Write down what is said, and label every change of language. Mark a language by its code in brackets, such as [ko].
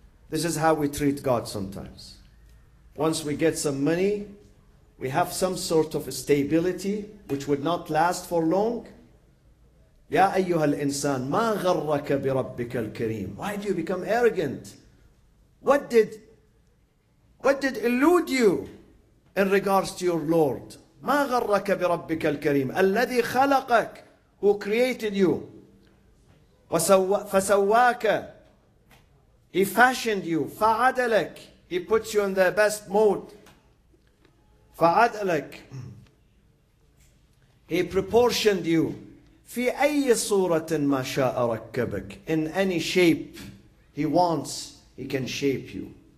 [en] This is how we treat God sometimes. Once we get some money, we have some sort of stability, which would not last for long. [ar] Ya ayyuhal insan, ma gharraka bi rabbika al-kareem. [en] Why do you become arrogant? What did elude you in regards to your Lord? [ar] مَا غَرَّكَ بِرَبِّكَ الْكَرِيمِ الَّذِي خَلَقَكَ, [en] who created you. [ar] فَسَوَّاكَ, [en] he fashioned you. [ar] فَعَدَلَكَ, [en] he puts you in the best mode. فَعَدَلَكَ, he proportioned you. [ar] فِي أَيِّ صُورَةٍ مَا شَاءَ رَكَّبَكَ, [en] in any shape he wants, he can shape you.